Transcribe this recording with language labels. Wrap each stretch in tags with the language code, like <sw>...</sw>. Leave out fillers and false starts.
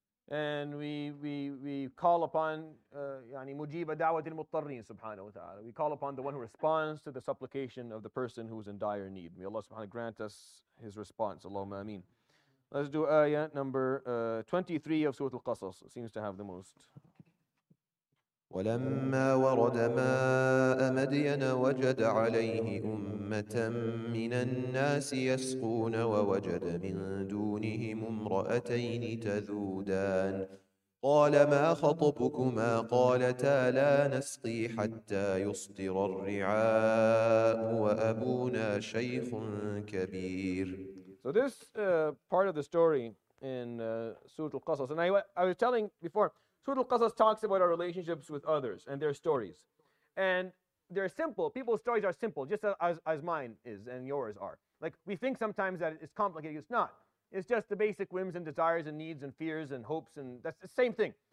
<en>And we call upon</en> <ar>يعني مجيب دعوة المضطرين سبحانه وتعالى.</ar> <en>We call upon the one who responds to the supplication of the person who is in dire need. May Allah subhanahu grant us his response. Allahumma ameen. Let's do ayah number 23 of Surah Al-Qasas. It seems to have the most.</en> <ar>ولما ورد ماء مدين وجد عليه أمة من الناس يسقون ووجد من دونهم امرأتين تذودان قال ما خطبكما قالتا لا نسقي حتى يصدر الرعاء وأبونا شيخ كبير.</ar> <en>So this part of the story in Surah Al-Qasas, and I was telling before, Surah Al-Qasas talks about our relationships with others and their stories. And they're simple. People's stories are simple, just as mine is and yours are. Like, we think sometimes that it's complicated. It's not. It's just the basic whims and desires and needs and fears and hopes, and that's the same thing.</en>